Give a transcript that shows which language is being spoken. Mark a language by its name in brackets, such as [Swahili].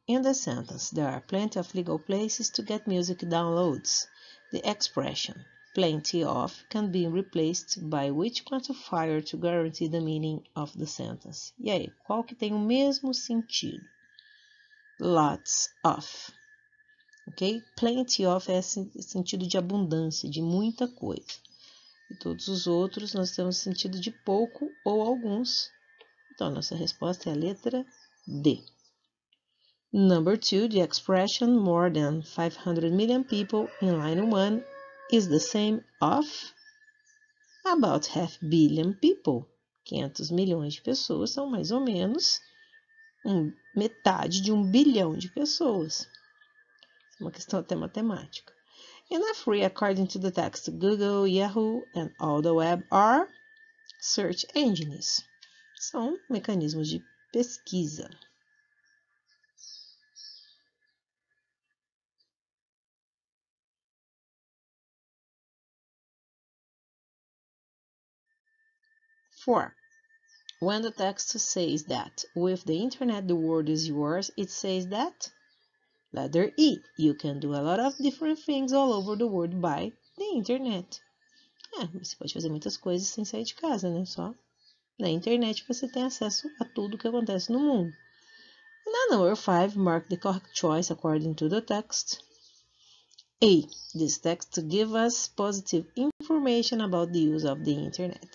[English] In the sentence, there are plenty of legal places to get music downloads. The expression plenty of can be replaced by which quantifier to guarantee the meaning of the sentence? [Portuguese] E aí, qual que tem o mesmo sentido? [English] Lots of. [Portuguese] Ok? Plenty of é sentido de abundância, de muita coisa. E todos os outros nós temos sentido de pouco ou alguns. Então, a nossa resposta é a letra D. [English] Number 2, the expression more than 500 million people in line 1 is the same of about half billion people. [Portuguese] 500 milhões de pessoas são mais ou menos metade de 1 bilhão de pessoas. É uma questão até matemática. [English] Enough free according to the text, Google, Yahoo and all the web are search engines. [Portuguese] São mecanismos de pesquisa. [English] Four. When the text says that with the internet the world is yours, it says that letter E, you can do a lot of different things all over the world by the internet. [Portuguese] É, você pode fazer muitas coisas sem sair de casa, né? Só na internet você tem acesso a tudo o que acontece no mundo. [English] Na number 5, mark the correct choice according to the text. A. This text gives us positive information about the use of the internet.